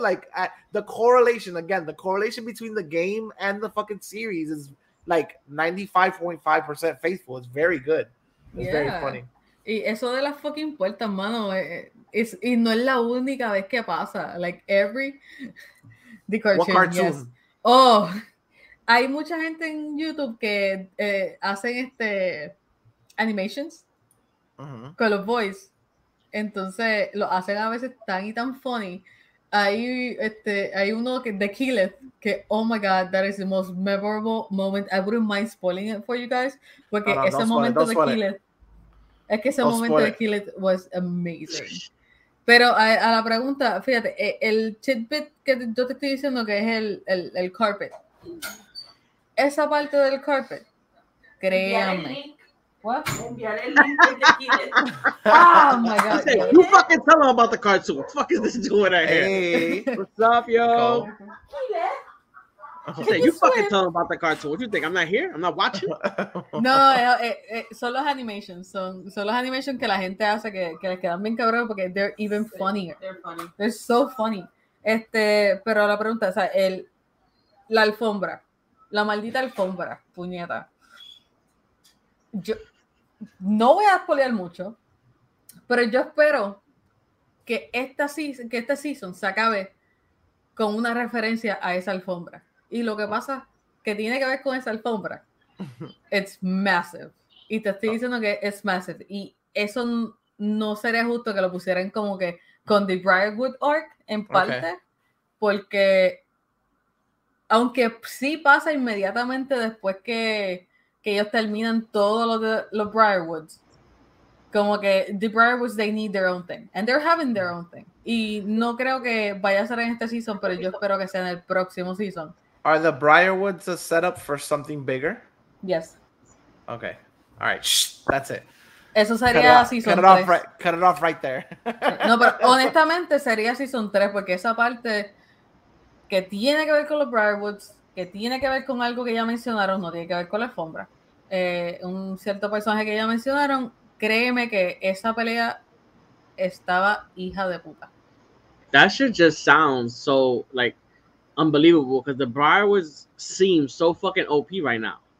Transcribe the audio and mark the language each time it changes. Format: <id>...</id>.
<en>Like the correlation, again, the correlation between the game and the fucking series is like 95.5% faithful. It's very good. It's very funny.</en> <es>Y eso de las fucking puertas, mano, es, y no es la única vez que pasa.</es> <en>Like, every... The cartoon, what cartoon? Yes.</en> <es>Oh, hay mucha gente en YouTube que hacen este animations con los voice. Entonces, lo hacen a veces tan y tan funny. Hay, este, hay uno que, de Keyleth, que,</es> <en>oh my God, that is the most memorable moment. I wouldn't mind spoiling it for you guys.</en> <es>Porque no, ese momento de Keyleth... Es que ese momento de Killet</es> <en>was amazing.</en> <es>Pero a la pregunta, fíjate, el tidbit que yo te estoy diciendo que es el carpet. Esa parte del carpet, créanme. Enviar el link de</es> <en>Killet. Oh my God. You fucking tell them about the cartoon. What the fuck is this doing out here? Hey. What's up, yo? Killet. Say, you fucking tell them about the cartoon. What do you think? I'm not here. I'm not watching.</en> <es>No, son los animations. Son los animations que la gente hace que les quedan bien cabrón porque</es> <en>they're even funnier. They're funny. They're so funny.</en> <es>Este, pero la pregunta, o sea, la alfombra, la maldita alfombra, puñeta. Yo no voy a spoilear mucho, pero yo espero que esta season se acabe con una referencia a esa alfombra. Y lo que pasa, que tiene que ver con esa alfombra,</es> <en>it's massive.</en> <es>Y te estoy diciendo que</es> <en>it's massive.</en> <es>Y eso no sería justo que lo pusieran como que con The Briarwood Arc, en parte, porque aunque sí pasa inmediatamente después que ellos terminan todos los Briarwoods, como que The Briarwoods,</es> <en>they need their own thing. And they're having their own thing.</en> <es>Y no creo que vaya a ser en este season, pero yo espero que sea en el próximo season.</es> <en>Are the Briarwoods a setup for something bigger? Yes. Okay. All right. Shh. That's it.</en> <es>Eso sería season</es> <en>3. Cut it off right there.</en> <es>No, pero honestamente sería season 3 porque esa parte que tiene que ver con los Briarwoods, que tiene que ver con algo que ya mencionaron, no tiene que ver con la alfombra. Un cierto personaje que ya mencionaron, créeme que esa pelea estaba hija de puta.</es> <en>That should just sound so like unbelievable because the Briarwoods seem so fucking OP right now.</en>